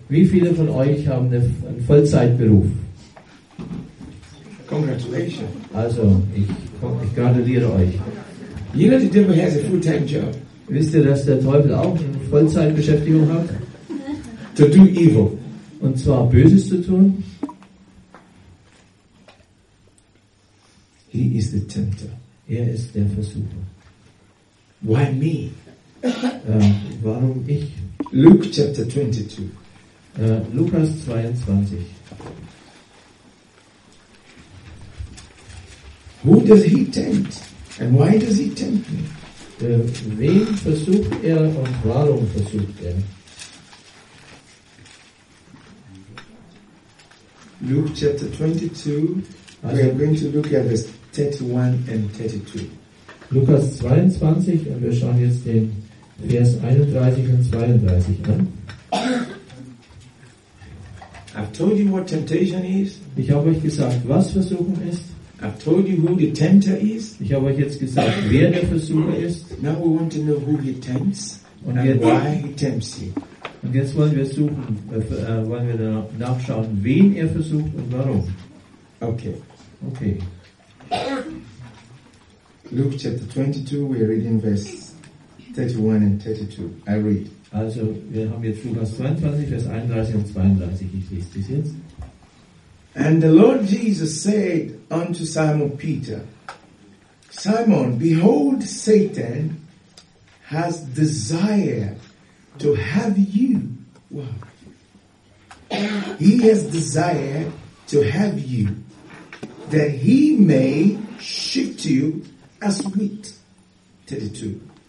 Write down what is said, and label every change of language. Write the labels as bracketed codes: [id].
[de] Wie viele von euch haben einen Vollzeitberuf? [en] Congratulations. [de] Also, ich gratuliere euch. [en] You know the devil has a full-time job. [de] Wisst ihr, dass der Teufel auch eine Vollzeitbeschäftigung hat? [en] To do evil. [de] Und zwar Böses zu tun. [en] He is the tempter. [de] Er ist der Versucher. [en] Why me? [de] Warum ich? [en] Luke chapter 22. [de] Lukas 22. [en] Who does he tempt? And why does he tempt me? [de] Wen versucht er und warum versucht er? [en] Luke chapter 22. Also, we are going to look at verse 31 and 32. [de] Lukas 22, und wir schauen jetzt den Vers 31 und 32 an. [en] I've told you what temptation is. [de] Ich habe euch gesagt, was Versuchung ist. [en] I've told you who the tempter is. [de] Ich habe euch jetzt gesagt, wer der Versucher ist. [en] Now we want to know who he tempts and why he tempts you. [de] Und jetzt wollen wir nachschauen, wen er versucht und warum. Okay. [en] Luke chapter 22, we are reading verse 31 and 32. I read. [de] Also, wir haben jetzt Lukas 22, Vers 31 und 32. Ich lese das jetzt. [en] And the Lord Jesus said unto Simon Peter, Simon, behold, Satan has desire to have you. Wow. He has desire to have you, that he may shift you as wheat. 32.